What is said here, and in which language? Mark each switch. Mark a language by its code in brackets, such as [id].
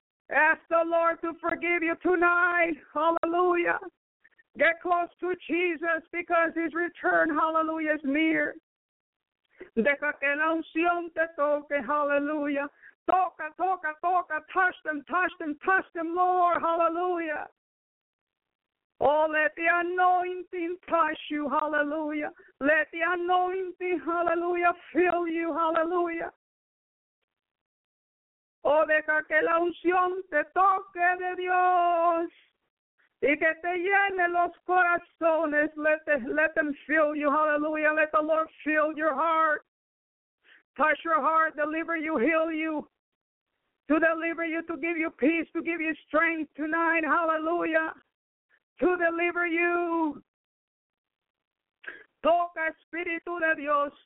[en] Ask the Lord to forgive you tonight. Hallelujah. Get close to Jesus because his return, hallelujah, is near. [es] Deja que la unción te toque. [en] Hallelujah. [es] Toca, toca, toca. [en] Touch them, touch them, touch them, Lord. Hallelujah. Oh, let the anointing touch you, hallelujah. Let the anointing, hallelujah, fill you, hallelujah. [es] Oh, deja que la unción te toque de Dios y que te llene los corazones. [en] Let them fill you, hallelujah. Let the Lord fill your heart. Touch your heart, deliver you, heal you. To deliver you, to give you peace, to give you strength tonight, hallelujah. To deliver you. [es] Toca, Espíritu de Dios.